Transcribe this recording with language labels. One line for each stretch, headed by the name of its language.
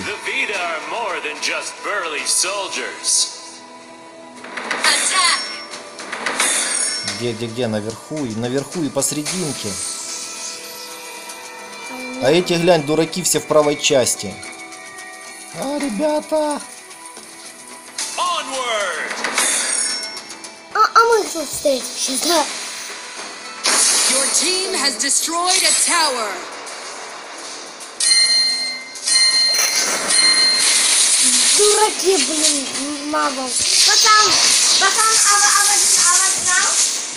English: The Vita are more than just burly soldiers.
Russian: Где-где-где? Наверху, и наверху, и посерединке. А эти, глянь, дураки все в правой части. А, ребята! Onward! А мы что стоим? Сейчас, да.
English: Your team has destroyed a tower.
Russian: Дураки, блин, Marvel. Пацан, пацан, а вот нам.